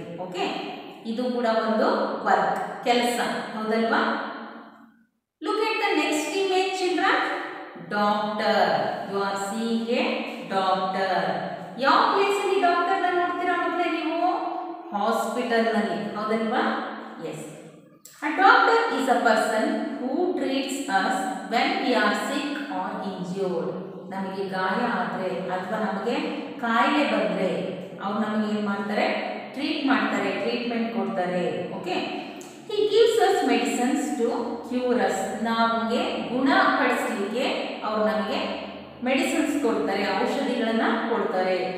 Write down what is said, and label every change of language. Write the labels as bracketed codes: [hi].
[kn] Okay, ಇದು ಕೂಡ ಒಂದು ವರ್ಕ್, ಕೆಲಸ, ಹೌದಲ್ವಾ? [en] Look at the next image children. Doctor, you are seeing a doctor. [kn] ಯಾವ ಪ್ಲೇಸಲ್ಲಿ ಡಾಕ್ಟರ್ನ ನೋಡ್ತೀರಾ ಮಕ್ಕಳೇ ನೀವು? ಹಾಸ್ಪಿಟಲ್ನಲ್ಲಿ, ಹೌದಲ್ವಾ? S. [en] A doctor is a person who treats us when we are sick or injured. [kn] ನಮಗೆ ಗಾಯ ಆದರೆ ಅಥವಾ ನಮಗೆ ಕಾಯಿಲೆ ಬಂದರೆ ಅವ್ರು ನಮಗೆ ಏನು ಮಾಡ್ತಾರೆ? ಟ್ರೀಟ್ ಮಾಡ್ತಾರೆ, ಟ್ರೀಟ್ಮೆಂಟ್ ಕೊಡ್ತಾರೆ. [en] Okay, he gives us medicines to cure us. [kn] ನಮಗೆ ಗುಣ ಪಡಿಸ್ಲಿಕ್ಕೆ ಅವ್ರು ನಮಗೆ ಮೆಡಿಸಿನ್ಸ್ ಕೊಡ್ತಾರೆ, ಔಷಧಿಗಳನ್ನು ಕೊಡ್ತಾರೆ.